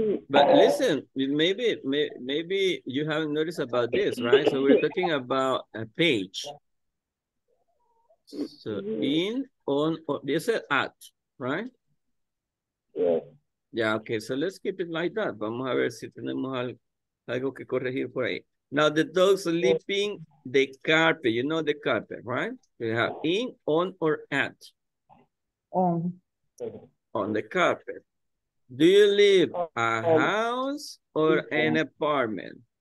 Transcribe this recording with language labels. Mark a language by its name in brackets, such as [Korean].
[English] But listen, maybe you haven't noticed about this, right? So we're talking about a page. So in, on, or this is at, right? Yeah. Yeah, okay, so let's keep it like that. [Spanish] Vamos a ver si tenemos algo que corregir por ahí. [English] Now the dog's sleeping the carpet, you know the carpet, right? We have in, on, or at? On. On the carpet. Do you live a house or an apartment?